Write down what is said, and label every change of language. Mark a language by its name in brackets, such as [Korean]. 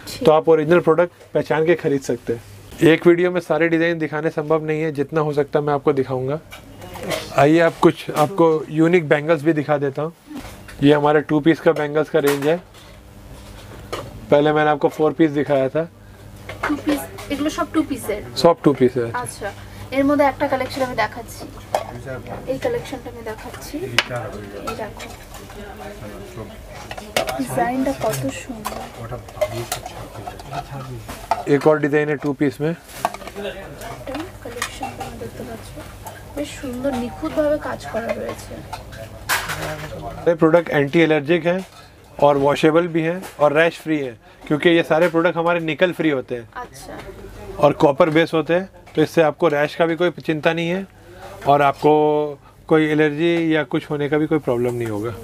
[Hindi] तो आप original product पहचान के खरीद सकते हैं। एक वीडियो में सारे डिज़ाइन दिखाने संभव नहीं है, जितना हो सकता मैं आपको दिखाऊंगा। आइए आप कुछ आपको यूनिक बैंगल्स भी दिखा देता हूँ। ये हमारा 2 पीस का बैंगल्स का रेंज है। पहले मैंने आपको 4 पीस दिखाया था। 2 पीस सब 2 पीस है। [Bangla] अच्छा, এর মধ্যে একটা কালেকশন আমি দেখাচ্ছি, এই কালেকশনটা আমি দেখাচ্ছি, এই দেখো ডিজাইনটা কত সুন্দর। এক আর ডিজাইনে 2 পিস মে কালেকশন দেখতে পাচ্ছি, বেশ সুন্দর নিখুঁতভাবে কাজ করা রয়েছে। [Hindi] এই প্রোডাক্ট অ্যান্টি অ্যালার্জিক হ্যায় और वॉशेबल भी हैं और रैश फ्री हैं, क्योंकि ये सारे प्रोडक्ट हमारे निकल फ्री होते हैं। अच्छा, और कॉपर बेस होते हैं, तो इससे आपको रैश का भी कोई चिंता नहीं है और आपको कोई एलर्जी या कुछ होने का भी कोई प्रॉब्लम नहीं होगा।